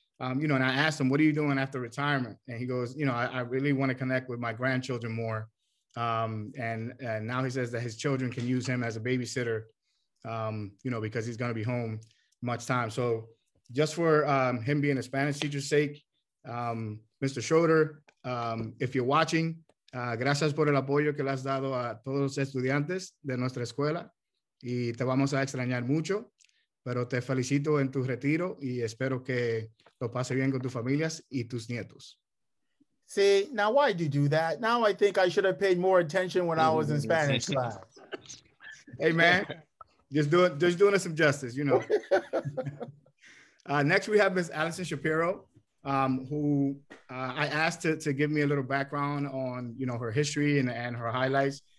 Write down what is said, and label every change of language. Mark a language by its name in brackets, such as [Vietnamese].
[English] You know, and I asked him, what are you doing after retirement? And he goes, you know, I really want to connect with my grandchildren more. And now he says that his children can use him as a babysitter, you know, because he's going to be home much time. So just for him being a Spanish teacher's sake, Mr. [Spanish] Schroeder, [English] if you're watching, [Spanish] gracias por el apoyo que le has dado a todos los estudiantes de nuestra escuela. Y te vamos a extrañar mucho. Pero te felicito en tu retiro y espero que lo pase bien con tus familias y tus nietos. [English] See, now why did you do that? Now I think I should have paid more attention when I was in Spanish class. Hey, man, just doing us some justice, you know. Next, we have Ms. Allison Shapiro, who I asked to give me a little background on, you know, her history and her highlights.